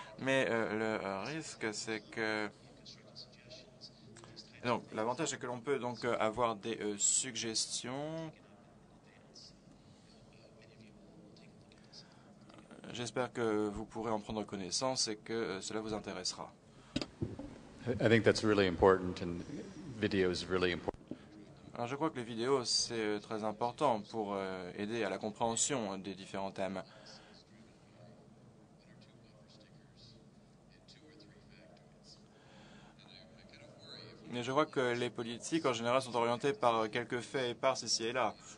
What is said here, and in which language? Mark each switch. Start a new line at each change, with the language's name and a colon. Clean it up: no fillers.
French: Mais le risque, c'est que... Donc, l'avantage, c'est que l'on peut donc avoir des suggestions. J'espère que vous pourrez en prendre connaissance et que cela vous intéressera.
English: I think that's really important and video is really important.
French: Alors, je crois que les vidéos, c'est très important pour aider à la compréhension des différents thèmes. Mais je crois que les politiques, en général, sont orientées par quelques faits épars ici et là.